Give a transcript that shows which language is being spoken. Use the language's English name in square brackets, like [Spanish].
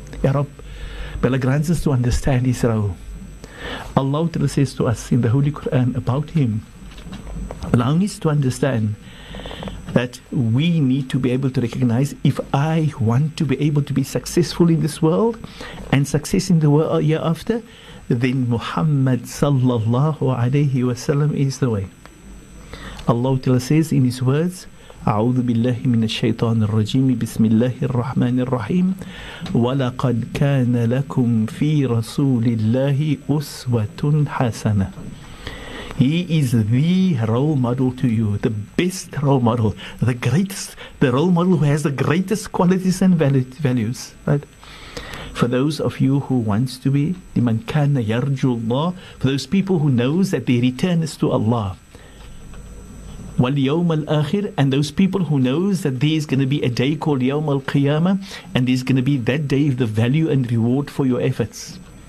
[English] Ya Rab, Allah grants us to understand his role. Allah says to us in the Holy Quran about him, allowing us to understand that we need to be able to recognize, if I want to be able to be successful in this world and success in the world hereafter, then Muhammad sallallahu alayhi wa sallam is the way. Allah says in his words, [Arabic] أعوذ بالله من الشيطان الرجيم بسم الله الرحمن الرحيم ولقد كان لكم في رسول الله أسوة حسنة. [English] He is the role model to you, the best role model, the greatest, the role model who has the greatest qualities and values, right? For those of you who wants to be [Arabic] لمن كان يرجو الله, [English] for those people who knows that their return is to Allah, [Arabic] واليوم الآخر, [English] and those people who knows that there is going to be a day called يوم القيامة, and there is going to be that day of the value and reward for your efforts.